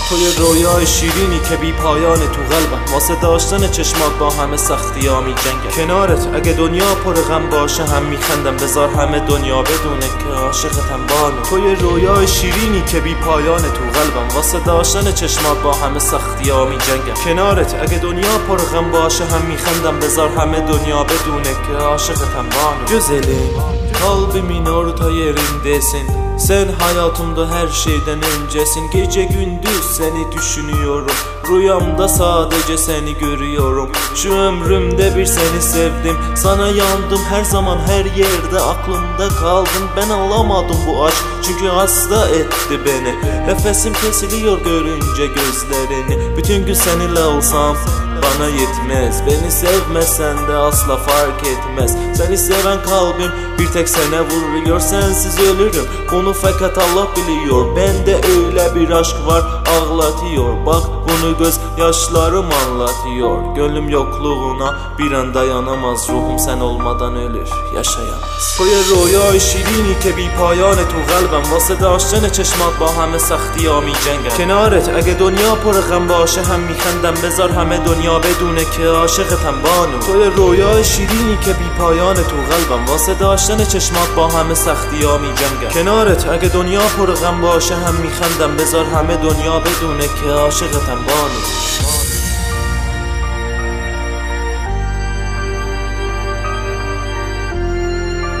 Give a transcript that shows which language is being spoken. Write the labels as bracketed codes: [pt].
[fa] تو یه رویای شیرینی که بی پایان تو قلبم، واسه داشتن چشمات با همه سختی ها میجنگم، کنارت اگه دنیا پر غم باشه هم میخندم، بذار همه دنیا بدونه که عاشقتم بان. تو یه رویای شیرینی که بی پایان تو قلبم، واسه داشتن چشمات با همه سختی ها می جنگم، کنارت اگه دنیا پر غم باشه هم می خندم، بذار همه دنیا بدونه که عاشقتم بانو. [tr] گزلی قلبم اینارو تا یرندسین، سن حیاتمده هر شیدن اوncesin، gece gündüz seni düşünüyorum، rüyamda sadece seni görüyorum، şu ömrümde bir seni sevdim، sana yandım her zaman her yerde، aklımda kaldın ben alamadım bu aşk، çünkü hasta etti beni، nefesim kesiliyor görünce gözlerini، bütün gün seninle olsam bana yetmez، beni sevmesen de asla fark etmez، seni seven kalbim bir tek sene vuruyor، sensiz ölürüm bunu fakat Allah biliyor، bende öyle bir aşk var ağlatıyor، bak bunu göz yaşlarım anlatıyor، gönlüm yokluğuna bir an dayanamaz، ruhum sen olmadan ölür yaşayamaz. [fa] Koye rüyayı şirini ke bir payane tu kalbim، واسه داشتن چشمات با همه سختی ها می جنگم، کنارت اگه دنیا پر غم باشه هم می خندم، بذار همه دنیا بدونه که عاشقتم بانو. توی رویای شیرینی که بی پایان تو قلبم، واسه داشتن چشمات با همه سختی ها می جنگم، کنارت اگه دنیا پر غم باشه هم می خندم، بذار همه دنیا بدونه که عاشقتم بانو.